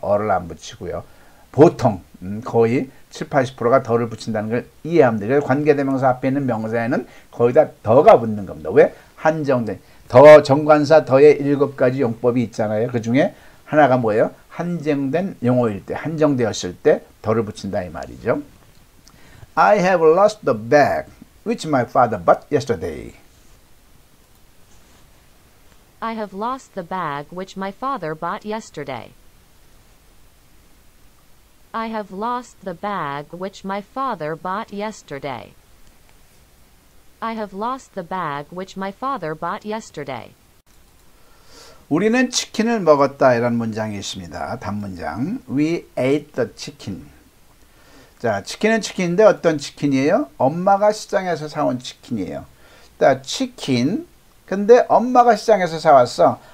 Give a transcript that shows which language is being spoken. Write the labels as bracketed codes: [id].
[ko] 어를 안 붙이고요. 보통 거의 70-80%가 더를 붙인다는 걸 이해하면 돼요. 관계대명사 앞에 있는 명사에는 거의 다 더가 붙는 겁니다. 왜? 한정된. 더, 정관사 더의 7가지 용법이 있잖아요. 그 중에 하나가 뭐예요? 한정된 용어일 때, 한정되었을 때 더를 붙인다 이 말이죠. [en] I have lost the bag which my father bought yesterday. I have lost the bag which my father bought yesterday. I have lost the bag which my father bought yesterday. I have lost the bag which my father bought yesterday. [ko] 우리는 치킨을 먹었다 이런 문장이 있습니다. 단문장. [en] We ate the chicken. [ko] 자, 치킨은 치킨인데 어떤 치킨이에요? 엄마가 시장에서 사온 치킨이에요. 자, 치킨. 근데 엄마가 시장에서 사왔어.